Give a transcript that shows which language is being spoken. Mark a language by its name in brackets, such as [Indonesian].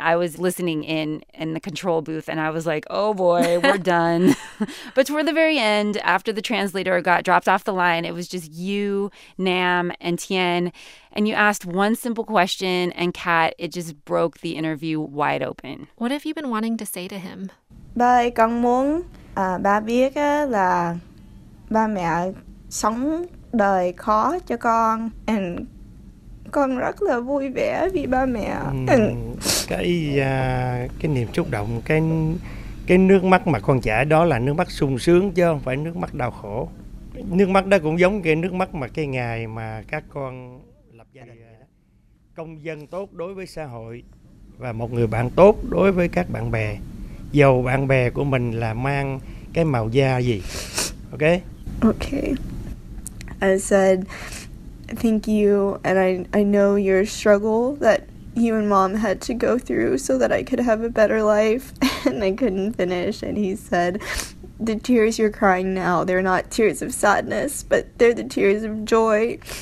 [English] I was listening in the control booth, and I was like, oh, boy, we're done. But toward the very end, after the translator got dropped off the line, it was just you, Nam, and Tien. And you asked one simple question, and Kat, it just broke the interview wide open. What have you been wanting to say to him? [Vietnamese] Ba cang mong ba biết là ba mẹ sống đời khó cho con, and con rất là vui vẻ vì ba mẹ. Cái niềm xúc động, cái nước mắt mà con chảy đó là nước mắt sung sướng chứ không phải nước mắt đau khổ. Nước mắt đó cũng giống cái nước mắt mà cái ngày mà các con lập gia đình, công dân tốt đối với xã hội và một người bạn tốt đối với các bạn bè. Dầu bạn bè của mình là mang cái màu da gì. [English] Okay? Okay. I said, thank you, and I know your struggle that you and mom had to go through so that I could have a better life, and I couldn't finish. And he said, the tears you're crying now, they're not tears of sadness, but they're the tears of joy.